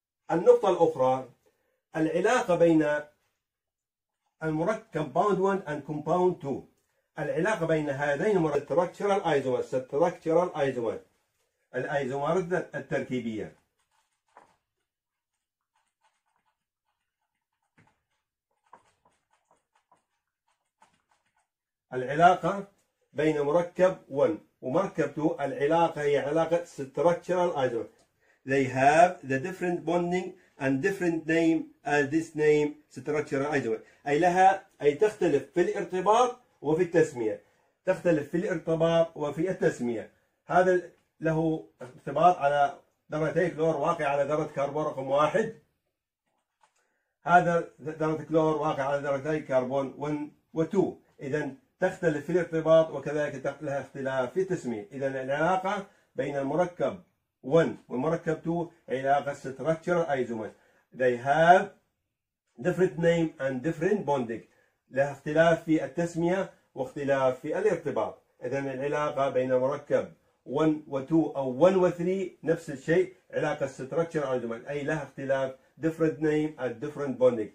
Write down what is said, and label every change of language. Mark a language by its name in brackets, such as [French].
[Arabic] النقطة الأخرى العلاقة بين المركب [English] compound 1 and compound 2، [Arabic] العلاقة بين هذين المركبين structural isomers، structural isomers الايزومرز التركيبية. العلاقة بين مركب 1 ومركب 2 العلاقة هي علاقة structural isomers. [English] They have the different bonding and different name as this name structural isomer. [Arabic] أي لها أي تختلف في الارتباط وفي التسمية. تختلف في الارتباط وفي التسمية. هذا له ارتباط على ذرة كلور واقع على ذرة كربون رقم 1. هذا ذرة كلور واقع على ذرة كربون 1 و 2. إذا تختلف في الارتباط وكذلك لها اختلاف في التسمية. إذا العلاقة بين المركب 1 والمركب 2 علاقة structural isomers. [English] They have different name and different bonding. [Arabic] لها اختلاف في التسمية واختلاف في الارتباط. إذا العلاقة بين مركب 1 و 2 أو 1 و 3 نفس الشيء، علاقة structural isomers أي لها اختلاف [English] different name and different bonding.